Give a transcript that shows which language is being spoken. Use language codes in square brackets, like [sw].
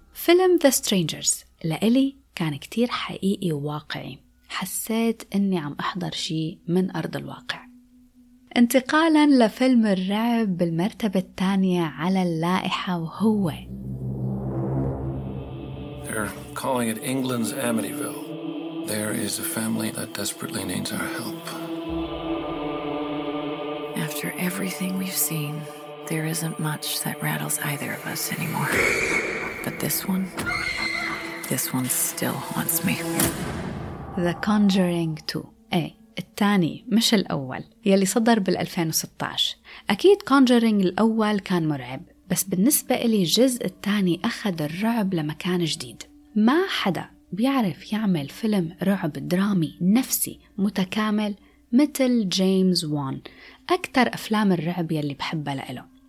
[ar] فيلم The Strangers لإلي كان كتير حقيقي وواقعي، حسيت إني عم أحضر شيء من أرض الواقع. انتقالاً لفيلم الرعب بالمرتبة الثانية على اللائحة، وهو [en] They're calling it England's Amityville. There is a family that desperately needs our help. After everything we've seen, there isn't much that rattles either of us anymore. But this one still haunts me. The Conjuring 2. [ar] إيه الثاني مش الأول، يلي صدر بال 2016. أكيد Conjuring الأول كان مرعب، بس بالنسبة لي الجزء الثاني أخذ الرعب لمكان جديد. ما حدا بيعرف يعمل فيلم رعب درامي نفسي متكامل مثل جيمس وان، أكثر أفلام الرعب يلي بحبها لإله.